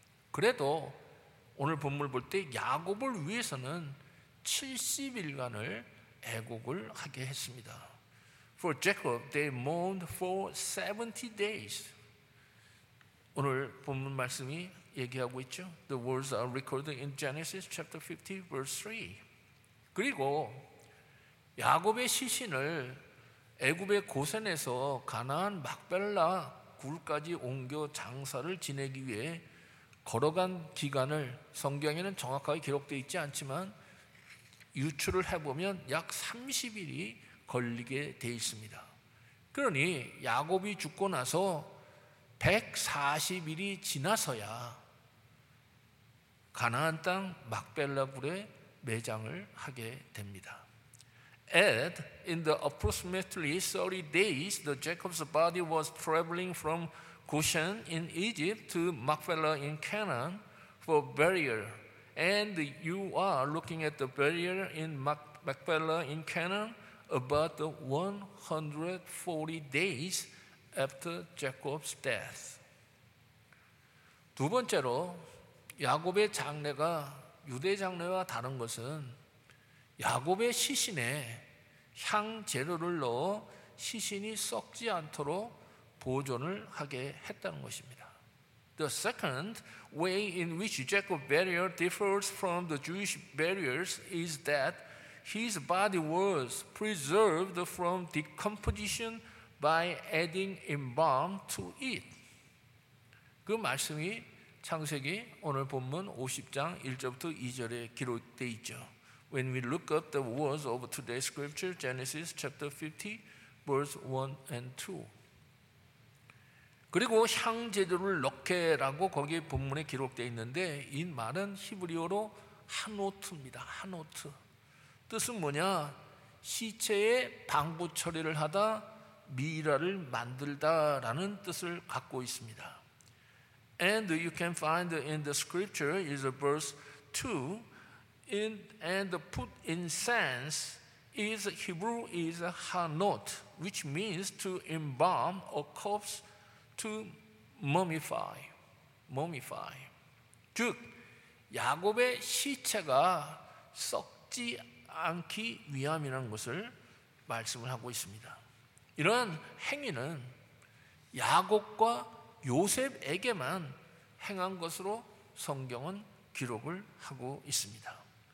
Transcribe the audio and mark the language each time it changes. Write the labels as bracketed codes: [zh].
[ko] 그래도 오늘 본문을 볼 때 야곱을 위해서는 70일간을 애곡을 하게 했습니다. [en] For Jacob, they mourned for 70 days. [ko] 오늘 본문 말씀이 얘기하고 있죠. [en] The words are recorded in Genesis chapter 50, verse 3. [ko] 그리고 야곱의 시신을 애굽의 고센에서 가나안 막벨라 굴까지 옮겨 장사를 지내기 위해 걸어간 기간을 성경에는 정확하게 기록되어 있지 않지만 유추를 해보면 약 30일이 걸리게 돼 있습니다. 그러니 야곱이 죽고 나서 140일이 지나서야 가나안 땅 막벨라 굴에 매장을 하게 됩니다. [en] And in the approximately 30 days, the Jacob's body was traveling from Goshen in Egypt to Machpelah in Canaan for burial. And you are looking at the burial in Machpelah in Canaan about the 140 days after Jacob's death. [ko] 두 번째로 야곱의 장례가 유대 장례와 다른 것은 야곱의 시신에 향 재료를 넣어 시신이 썩지 않도록 보존을 하게 했다는 것입니다. [en] The second way in which Jacob's burial differs from the Jewish burials is that his body was preserved from decomposition by adding embalm to it. [ko] 그 말씀이 창세기 오늘 본문 50장 1절부터 2절에 기록되어 있죠. [en] When we look up the words of today's scripture, Genesis chapter 50, verse 1 and 2. [ko] 그리고 향재료를 넣게라고 거기에 본문에 기록되어 있는데 이 말은 히브리어로 하노트입니다. 하노트. 뜻은 뭐냐? 시체의 방부 처리를 하다 미라를 만들다라는 뜻을 갖고 있습니다. [en] And you can find in the scripture is a verse 2. In, and put incense is Hebrew is a hanot, which means to embalm a corpse to mummify. Mummify. [ko] 즉, 야곱의 시체가 썩지 않기 위함이라는 것을 말씀을 하고 있습니다. 이런 행위는 야곱과 요셉에게만 행한 것으로 성경은 기록을 하고 있습니다.